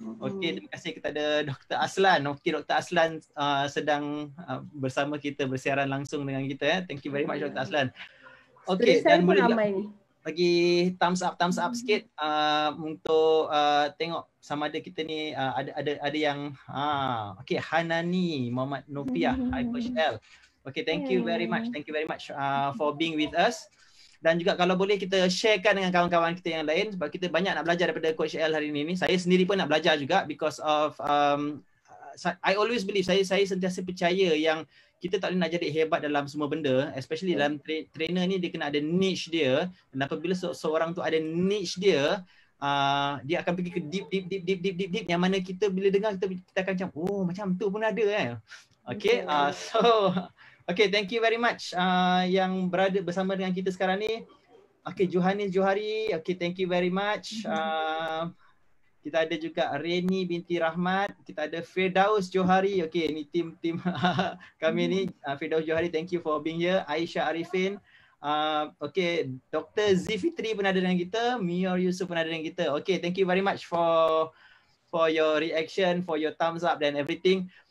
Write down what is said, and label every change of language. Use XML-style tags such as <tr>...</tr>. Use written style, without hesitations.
<ms>Okey, terima kasih kepada Dr. Aslan. Okey, Dr. Aslan sedang bersama kita, bersiaran langsung dengan kita.</ms> <en>Thank you very much Dr. Aslan.</en> <ms>Okey, dan boleh ramai ni. bagi thumbs up sikit untuk tengok sama ada kita ni ada yang okey, Hanani Muhammad Nopiah Hypershell.</ms> <en>Okay, thank you very much. Thank you very much for being with us.</en> <ms>Dan juga kalau boleh kita sharekan dengan kawan-kawan kita yang lain sebab kita banyak nak belajar daripada Coach L hari ini. Saya sendiri pun nak belajar juga</ms> <en>because of I always believe,</en> <ms>saya sentiasa percaya yang kita tak boleh nak jadi hebat dalam semua benda, especially dalam trainer ni dia kena ada niche dia. Dan apabila seorang tu ada niche dia, dia akan pergi ke deep yang mana kita bila dengar kita akan macam oh macam tu pun ada kan.</ms> <en>Okay, so okay, thank you very much</en> <ms>yang berada bersama dengan kita sekarang ni.</ms> <en>Okay, Johanis Johari, okay, thank you very much.</en> <ms>Kita ada juga Reni binti Rahmat, kita ada Firdaus Johari, okay, ni tim kami ni.</ms> <en>Firdaus Johari, thank you for being here. Aisyah Arifin, okay, Dr.</en> <ms>Zifitri pun ada dengan kita, Mior Yusuf pun ada dengan kita.</ms> <en>Okay, thank you very much for your reaction, for your thumbs up and everything.</en>